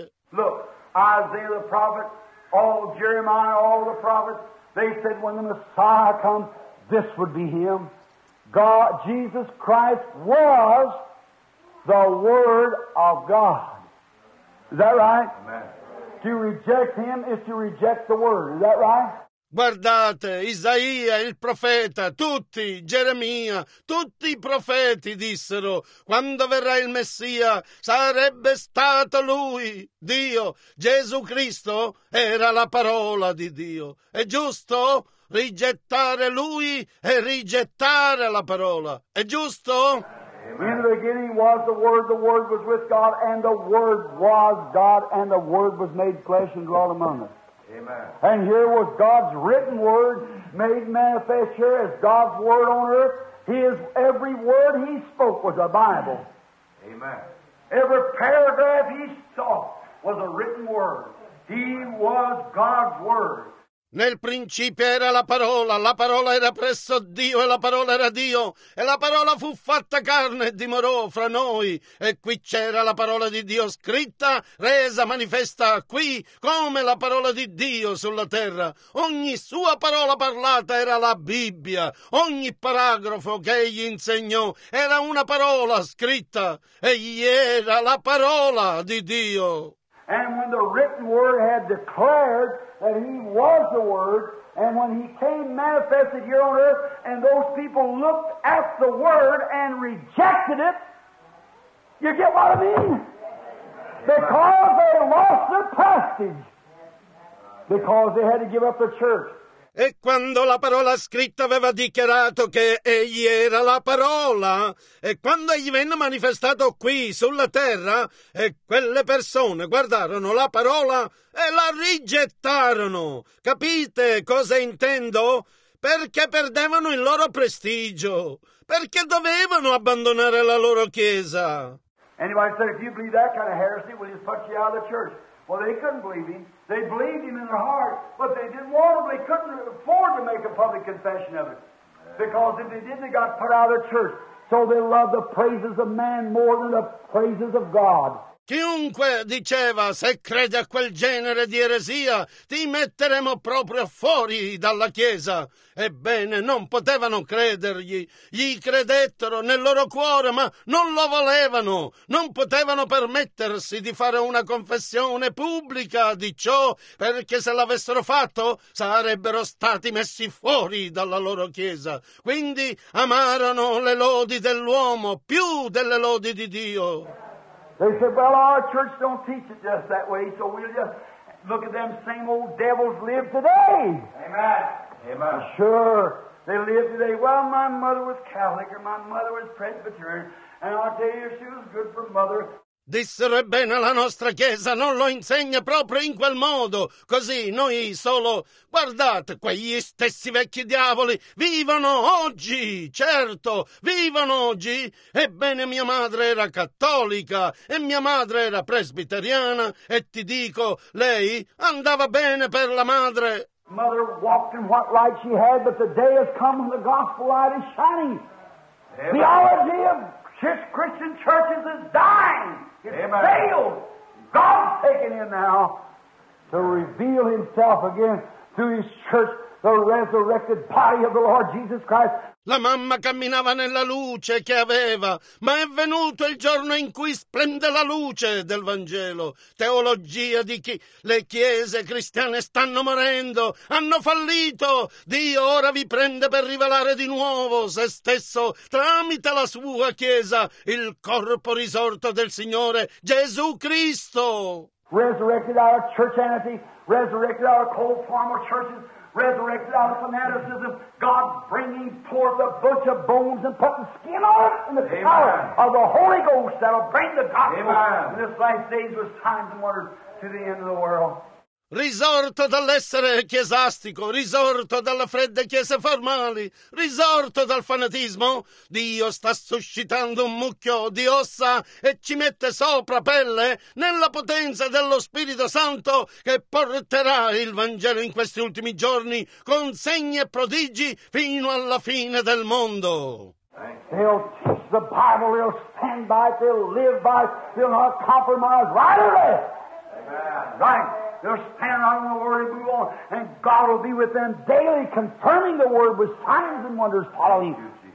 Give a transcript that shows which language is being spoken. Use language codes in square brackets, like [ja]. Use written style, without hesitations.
[en] Look, Isaiah the prophet, all Jeremiah, all the prophets, they said when the Messiah comes, this would be him. God, Jesus Christ was the Word of God. Is that right? Amen. To reject him is to reject the Word. Is that right? [it] Guardate, Isaia, il profeta, tutti, Geremia, tutti i profeti dissero, quando verrà il Messia, sarebbe stato lui, Dio. Gesù Cristo era la parola di Dio. È giusto rigettare lui e rigettare la parola. È giusto? [en] In the beginning was the Word was with God, and the Word was God, and the Word was made flesh and dwelt among us. Amen. And here was God's written word made manifest here as God's word on earth. His every word he spoke was a Bible. Amen. Every paragraph he saw was a written word. He was God's word. [it] Nel principio era la parola era presso Dio e la parola era Dio, e la parola fu fatta carne e dimorò fra noi, e qui c'era la parola di Dio scritta, resa manifesta qui, come la parola di Dio sulla terra. Ogni sua parola parlata era la Bibbia, ogni paragrafo che egli insegnò era una parola scritta, egli era la parola di Dio. [en] And when the written word had declared that he was the word, and when he came manifested here on earth, and those people looked at the word and rejected it, you get what I mean? Because they lost their prestige. Because they had to give up their church. [it] E quando la parola scritta aveva dichiarato che egli era la parola, e quando egli venne manifestato qui sulla terra, e quelle persone guardarono la parola e la rigettarono. Capite cosa intendo? Perché perdevano il loro prestigio. Perché dovevano abbandonare la loro chiesa. [en] Anybody said, if you believe that kind of heresy, we'll just put you out of the church. Well, they couldn't believe him. They believed him in their heart, but they didn't want him. They couldn't afford to make a public confession of it. Because if they didn't, they got put out of the church. So they loved the praises of man more than the praises of God. [it] Chiunque diceva, se crede a quel genere di eresia, ti metteremo proprio fuori dalla chiesa. Ebbene, non potevano credergli. Gli credettero nel loro cuore, ma non lo volevano. Non potevano permettersi di fare una confessione pubblica di ciò, perché se l'avessero fatto, sarebbero stati messi fuori dalla loro chiesa. Quindi amarono le lodi dell'uomo più delle lodi di Dio. [en] They said, well, our church don't teach it just that way, so we'll just look at them same old devils live today. Amen. Amen. Sure, they live today. Well, my mother was Catholic, or my mother was Presbyterian, and I'll tell you, she was good for mother. [it] Dissero, ebbene, la nostra chiesa non lo insegna proprio in quel modo. Così noi solo, guardate, quegli stessi vecchi diavoli vivono oggi, certo, vivono oggi. Ebbene, mia madre era cattolica e mia madre era presbiteriana e ti dico, lei andava bene per la madre. [en] Mother walked in what light she had, but the day has come when the gospel light is shining. Theology of Christian churches is dying. Amen. Failed. God's taking him now to reveal himself again through his church, the resurrected body of the Lord Jesus Christ. [it] La mamma camminava nella luce che aveva, ma è venuto il giorno in cui splende la luce del Vangelo. Teologia di chi? Le chiese cristiane stanno morendo, hanno fallito. Dio ora vi prende per rivelare di nuovo se stesso tramite la sua chiesa, il corpo risorto del Signore Gesù Cristo. [en] Resurrected our churchianity, resurrected our cold form of churches, resurrected out of fanaticism, God bringing forth a bunch of bones and putting skin on it in the Amen. Power of the Holy Ghost that'll bring the gospel Amen. In this last days with signs and wonders to the end of the world. [it] Risorto dall'essere chiesastico, risorto dalle fredde chiese formali, risorto dal fanatismo, Dio sta suscitando un mucchio di ossa e ci mette sopra pelle nella potenza dello Spirito Santo che porterà il Vangelo in questi ultimi giorni con segni e prodigi fino alla fine del mondo. [en] They'll teach the Bible, they'll stand by, they'll live by, they'll not compromise, right or left. Right. They'll stand on the word and move on, and God will be with them daily, confirming the word with signs and wonders following you.